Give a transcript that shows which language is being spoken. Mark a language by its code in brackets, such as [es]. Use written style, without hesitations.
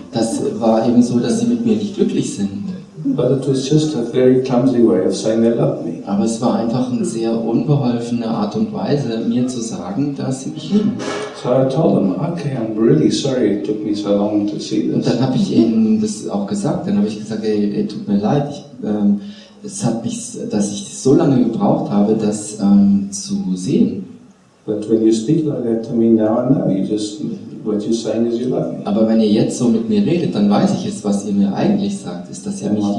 [de] Das war eben so, dass sie mit mir nicht glücklich sind. [en] But it was just a very clumsy way of saying they loved me. [de] Aber es war einfach eine sehr unbeholfene Art und Weise, mir zu sagen, dass sie mich lieben. [en] So I told them, okay, I'm really sorry it took me so long to see this. [de] Und dann habe ich ihnen das auch gesagt. Dann habe ich gesagt, ey, tut mir leid, es hat mich, dass ich so lange gebraucht habe, das zu sehen. [en] But when you speak like that to me now, I know you just, what you're saying is you love me. [de] Aber wenn ihr jetzt so mit mir redet, dann weiß ich es, was ihr mir eigentlich sagt, ist, dass ihr mich liebt.